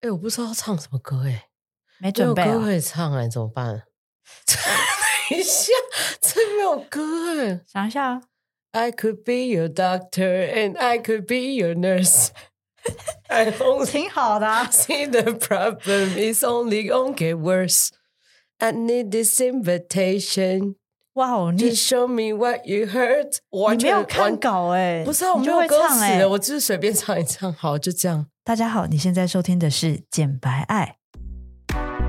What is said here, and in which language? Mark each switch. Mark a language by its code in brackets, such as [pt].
[zh] 哎、欸，我不知道唱什么歌哎、欸，没准备、啊、没有歌可以唱哎、欸，怎么办？等一下，这没有歌哎、欸，想一下、啊。 [en] I could be your doctor and I could be your nurse. I only [zh] 挺好的、啊。 [en] See the problem is only gonna get worse. I need this invitation. Wow, to show me what you heard. [zh] 你没有看稿哎、欸，不是、啊、我没有歌词、欸，我只是随便唱一唱，好，就这样。大家好，你现在收听的是《简白爱》。